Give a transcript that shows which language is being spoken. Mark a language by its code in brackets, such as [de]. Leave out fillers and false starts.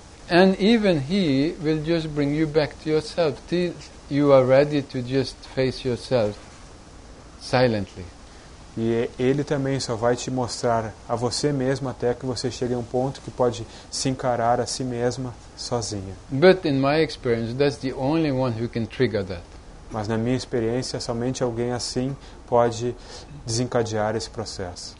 [en] And even he will just bring you back to yourself till you are ready to just face yourself silently. [pt] E ele também só vai te mostrar a você mesmo até que você chegue a um ponto que pode se encarar a si mesma sozinha. [en] But in my experience, that's the only one who can trigger that. [pt] Mas na minha experiência, somente alguém assim pode desencadear esse processo.